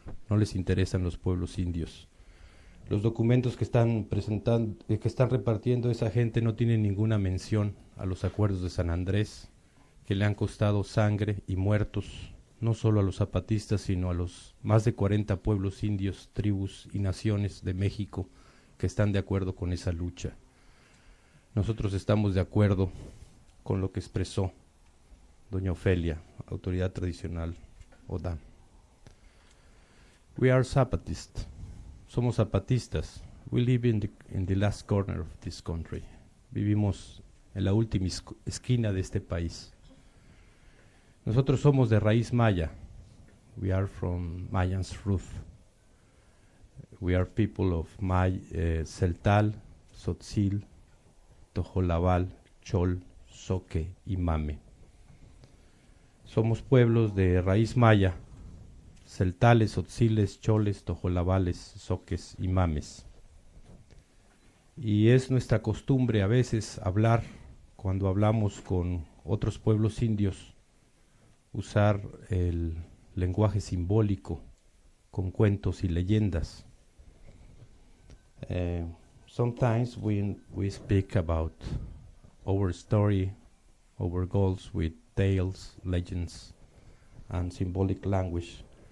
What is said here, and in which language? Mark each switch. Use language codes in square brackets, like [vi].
[es] No les interesan los pueblos indios. Los documentos que están presentando, que están repartiendo esa gente, no tienen ninguna mención a los acuerdos de San Andrés, que le han costado sangre y muertos, no solo a los zapatistas, sino a los más de 40 pueblos indios, tribus y naciones de México que están de acuerdo con esa lucha. Nosotros estamos de acuerdo con lo que expresó doña Ofelia, autoridad tradicional O'odham. [en] We are Zapatists. [es] Somos zapatistas. [en] We live in the last corner of this country. [es] Vivimos en la última esquina de este país. Nosotros somos de raíz maya. [en] We are from Mayan's root. We are people of Tzeltal, Tzotzil, Toholabal, Chol, Soque y Mame. [es] Somos pueblos de raíz maya. Tzeltales, Tzotziles, Choles, Toholabales, Soques y Mames. Y es nuestra costumbre a veces hablar, cuando hablamos con otros pueblos indios, usar el lenguaje simbólico con cuentos y leyendas. [en] Sometimes we speak about our story, our goals with tales, legends, and symbolic language.